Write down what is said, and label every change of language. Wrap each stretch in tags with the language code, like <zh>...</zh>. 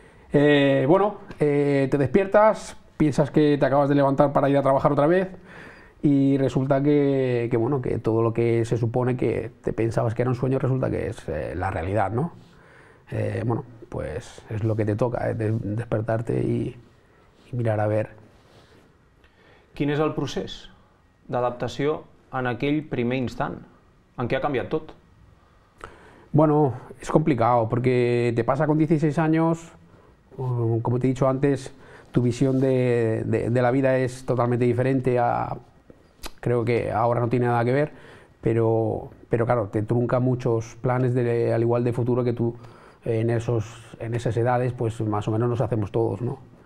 <es>Te despiertas, piensas que te acabas de levantar para ir a trabajar otra vez Y resulta que bueno, que todo lo que se supone que te pensabas que era un sueño, resulta que es la realidad, ¿no? Bueno, pues es lo que te toca, despertarte y mirar a ver.</es> <ca>Quin és el procés d'adaptació en aquell primer instant? En què ha canviat tot?</ca> <es>Bueno, es complicado porque te pasa con 16 años, como te he dicho antes, tu visión de la vida es totalmente diferente a, creo que ahora no tiene nada que ver, pero claro, te trunca muchos planes al igual de futuro que tú en esas edades, pues más o menos los hacemos todos, ¿no?</es>